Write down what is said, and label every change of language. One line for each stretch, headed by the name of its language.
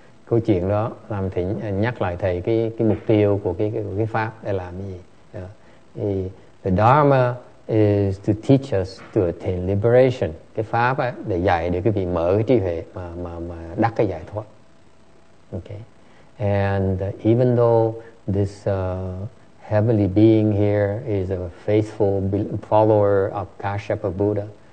Vietnamese: Câu chuyện đó làm thỉnh nhắc lại thầy cái mục tiêu của cái pháp để làm gì.
English: Thì the Dharma is to teach us to attain liberation.
Vietnamese: Cái pháp ấy, để dạy để quý vị mở cái trí huệ mà đắc cái giải thoát.
English: Okay. And even though this heavenly being here is a faithful follower of Kashyapa Buddha.